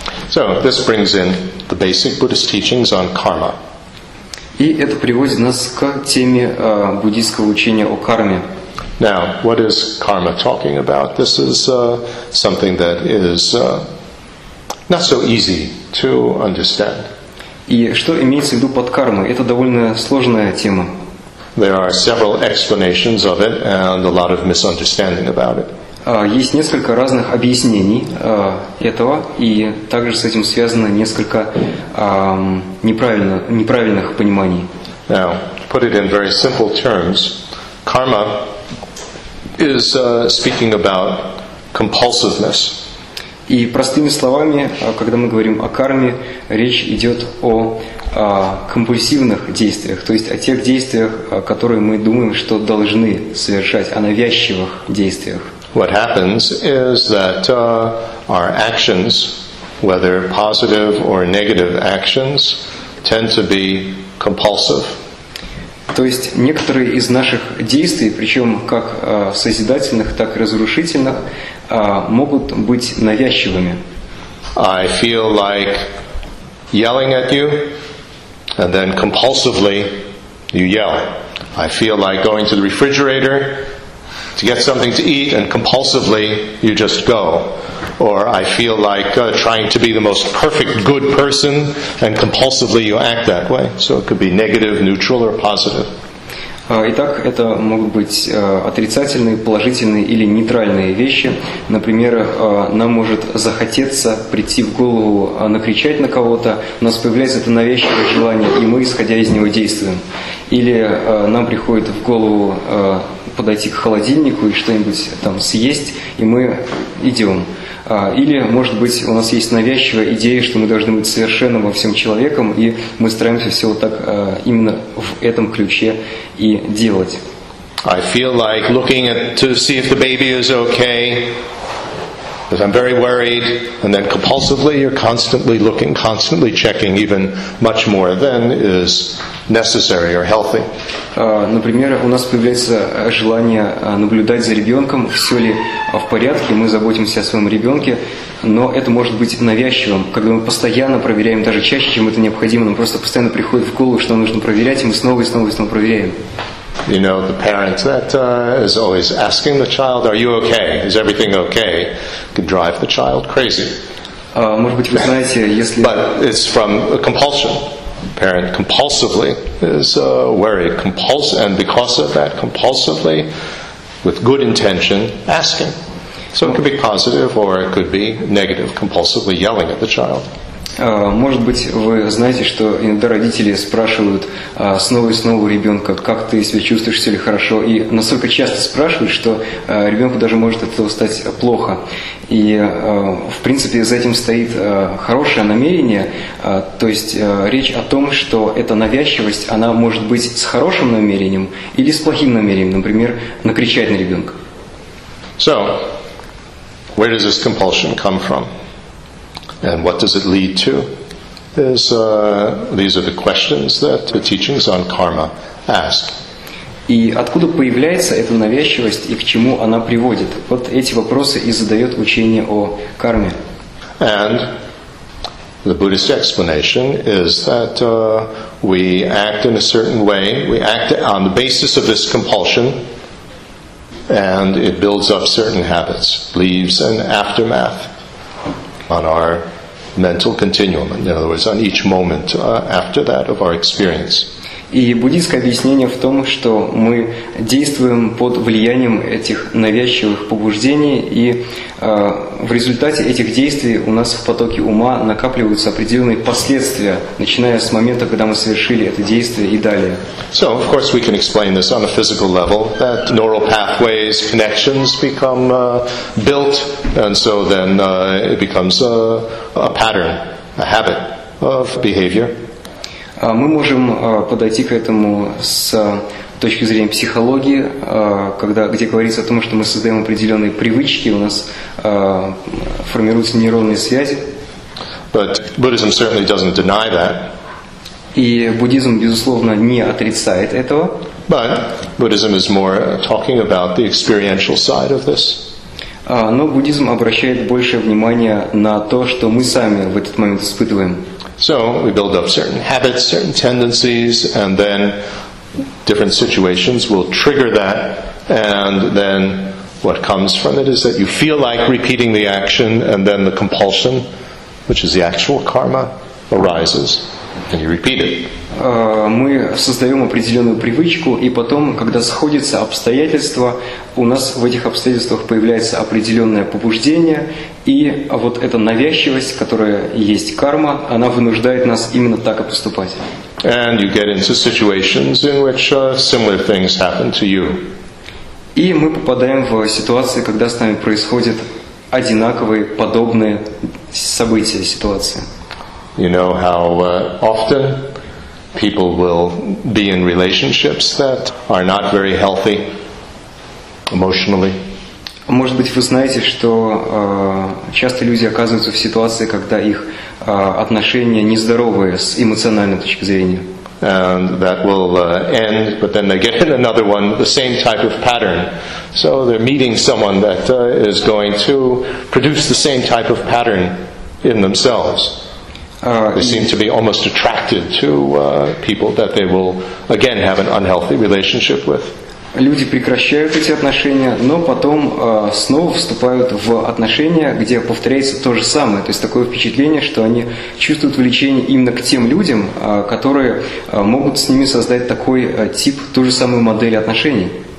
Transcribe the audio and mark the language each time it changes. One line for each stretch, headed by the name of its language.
English: So this brings in the basic Buddhist teachings on karma.
Russian: И это приводит нас к теме буддийского учения о карме.
English: Now, what is karma talking about? This is something that is not so easy to understand.
Russian: И что имеется в виду под кармой? Это довольно сложная тема.
English: There are several explanations of it and a lot of misunderstanding about it.
Russian: Есть несколько разных объяснений этого, и также с этим связано несколько неправильных пониманий.
English: Now, put it in very simple terms, karma is speaking about compulsiveness.
Russian: И простыми словами, когда мы говорим о карме, речь идет о компульсивных действиях, то есть о тех действиях, которые мы думаем, что должны совершать, о навязчивых действиях.
English: What happens is that our actions, whether positive or negative actions, tend to be compulsive.
Russian: То есть некоторые из наших действий, причем как созидательных, так и разрушительных, могут быть навязчивыми.
English: I feel like yelling at you, and then compulsively you yell. I feel like going to the refrigerator to get something to eat, and compulsively you just go. Or I feel like trying to be the most perfect good person, and compulsively you act that way. So it could be negative, neutral, or positive.
Russian: Итак, это могут быть отрицательные, положительные или нейтральные вещи. Например, нам может захотеться прийти в голову накричать на кого-то, у нас появляется это навязчивое желание, и мы, исходя из него, действуем. Или нам приходит в голову подойти к холодильнику и что-нибудь там съесть, и мы идем. Или, может быть, у нас есть навязчивая идея, что мы должны быть совершенно во всем человеком, и мы стараемся все вот так именно в этом ключе и делать.
English: I feel like looking at to see if the baby is okay, because I'm very worried, and then compulsively you're constantly looking, constantly checking, even much more than is necessary or healthy.
Russian: Например, у нас появляется желание наблюдать за ребенком, все ли в порядке, мы заботимся о своем ребенке, но это может быть навязчивым, когда мы постоянно проверяем, даже чаще, чем это необходимо, нам просто постоянно приходит в голову, что нужно проверять, и мы снова и снова и снова проверяем.
English: You know, the parent that is always asking the child, are you okay? Is everything okay? Could drive the child crazy.
Russian: Может быть, вы знаете, если...
English: But it's from a compulsion. The parent compulsively is worried. And because of that, compulsively, with good intention, asking. So it could be positive or it could be negative, compulsively yelling at the child.
Russian: Может быть, вы знаете, что иногда родители спрашивают снова и снова у ребенка, как ты себя чувствуешь, все ли хорошо, и настолько часто спрашивают, что ребенку даже может от этого стать плохо. И, в принципе, за этим стоит хорошее намерение, то есть речь о том, что эта навязчивость, она может быть с хорошим намерением или с плохим намерением, например, накричать на ребенка.
English: So, where does this compulsion come from? And what does it lead to? These are the questions that the teachings on karma ask.
Russian: И откуда появляется эта навязчивость и к чему она приводит? Вот эти вопросы и задает учение о карме.
English: And the Buddhist explanation is that we act in a certain way. We act on the basis of this compulsion, and it builds up certain habits, leaves an aftermath on our mental continuum, in other words, on each moment after that of our experience.
Russian: И буддийское объяснение в том, что мы действуем под влиянием этих навязчивых побуждений, и в результате этих действий у нас в потоке ума накапливаются определенные последствия, начиная с момента, когда мы совершили это действие и далее.
English: So, of course, we can explain this on a physical level, that neural pathways, connections become built, and so then it becomes a pattern, a habit of behavior.
Russian: Мы можем подойти к этому с точки зрения психологии, где говорится о том, что мы создаем определенные привычки, у нас формируются нейронные связи.
English: But Buddhism certainly doesn't deny that.
Russian: И буддизм, безусловно, не отрицает этого.
English: But Buddhism is more talking about the experiential side of this.
Russian: Но буддизм обращает большее внимание на то, что мы сами в этот момент испытываем.
English: So we build up certain habits, certain tendencies, and then different situations will trigger that, and then what comes from it is that you feel like repeating the action, and then the compulsion, which is the actual karma, arises, and you repeat it.
Russian: Мы создаем определенную привычку, и потом, когда сходятся обстоятельства, у нас в этих обстоятельствах появляется определенное побуждение, и вот эта навязчивость, которая есть карма, она вынуждает нас именно так и поступать.
English: And you get into situations in which similar things happen to you.
Russian: И мы попадаем в ситуации, когда с нами происходят одинаковые, подобные события, ситуации.
English: You know how often people will be in relationships that are not very healthy emotionally.
Russian: Может быть, вы знаете, что часто люди оказываются в ситуации, когда их отношения нездоровые с эмоциональной точки зрения.
English: And that will end, but then they get in another one, the same type of pattern. So they're meeting someone that is going to produce the same type of pattern in themselves. They seem to be almost attracted to people that they will again have an unhealthy relationship with.
Russian: Люди прекращают эти отношения, но потом снова вступают в отношения, где повторяется то же самое. То есть такое впечатление, что они чувствуют влечение именно к тем людям, которые могут с ними создать такой тип, ту же самую модель отношений.